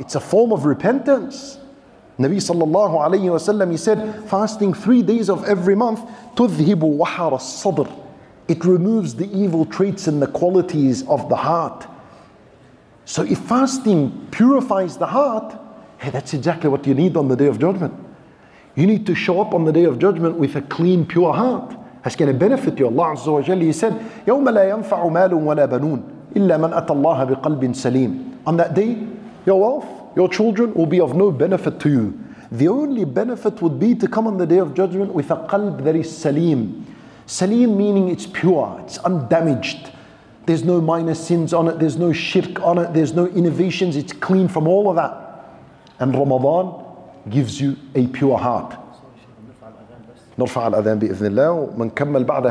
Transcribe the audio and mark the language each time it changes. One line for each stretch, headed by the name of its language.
English: It's a form of repentance. Nabi sallallahu alayhi wa sallam, he said, fasting 3 days of every month,
Arabic: تُذْهِبُ وَحَرَ الصَّدْرِ.
English: It removes the evil traits and the qualities of the heart. So if fasting purifies the heart, hey, that's exactly what you need on the Day of Judgment. You need to show up on the Day of Judgment with a clean, pure heart. That's going to benefit you. Allah Azza wa Jalla, he said,
Arabic: يَوْمَ لَا يَنْفَعُ مَالٌ وَلَا بَنُونَ إِلَّا مَنْ أَتَى اللَّهَ بِقَلْبٍ سَلِيمٍ.
English: On that day, your wealth, your children will be of no benefit to you. The only benefit would be to come on the Day of Judgment with a qalb that is salim. Salim meaning it's pure, it's undamaged. There's no minor sins on it, there's no shirk on it, there's no innovations, it's clean from all of that. And Ramadan gives you a pure heart.
Arabic: نرفع الأذان بإذن الله ومن كمل بعد.